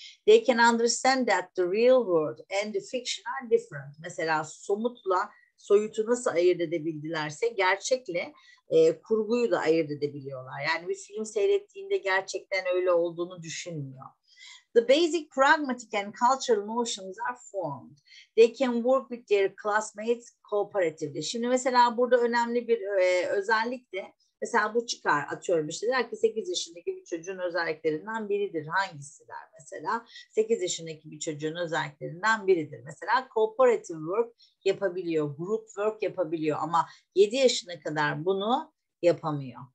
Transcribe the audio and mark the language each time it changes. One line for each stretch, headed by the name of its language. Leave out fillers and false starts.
English: They can understand that the real world and the fiction are different.
Turkish: Mesela somutla soyutu nasıl ayırt edebildilerse gerçekle kurguyu da ayırt edebiliyorlar. Yani bir film seyrettiğinde gerçekten öyle olduğunu düşünmüyor.
English: The basic pragmatic and cultural notions are formed. They can work with their classmates cooperatively.
Turkish: Şimdi mesela burada önemli bir özellik de mesela bu çıkar atıyorum işte der ki 8 yaşındaki bir çocuğun özelliklerinden biridir. Hangisi der mesela? 8 yaşındaki bir çocuğun özelliklerinden biridir. Mesela cooperative work yapabiliyor, group work yapabiliyor ama 7 yaşına kadar bunu yapamıyor.